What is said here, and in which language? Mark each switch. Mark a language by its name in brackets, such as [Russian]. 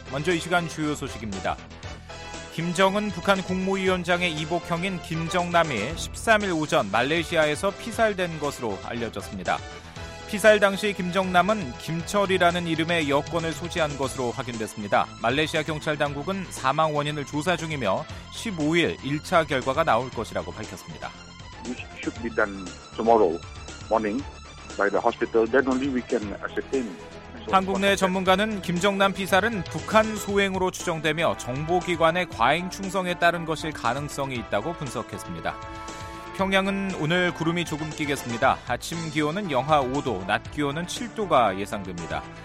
[Korean] 먼저 이 시간 주요 소식입니다. 김정은 북한 국무위원장의 이복형인 김정남이 13일 오전 말레이시아에서 피살된 것으로 알려졌습니다. 피살 당시 김정남은 김철이라는 이름의 여권을 소지한 것으로 확인됐습니다. 말레이시아 경찰 당국은 사망 원인을 조사 중이며 15일 1차 결과가 나올 것이라고 밝혔습니다. [English] It should be done tomorrow morning by the hospital. Then only we can ascertain. [Korean] 한국 내 전문가는 김정남 피살은 북한 소행으로 추정되며 정보기관의 과잉 충성에 따른 것일 가능성이 있다고 분석했습니다. 평양은 오늘 구름이 조금 끼겠습니다. 아침 기온은 영하 5도, 낮 기온은 7도가 예상됩니다.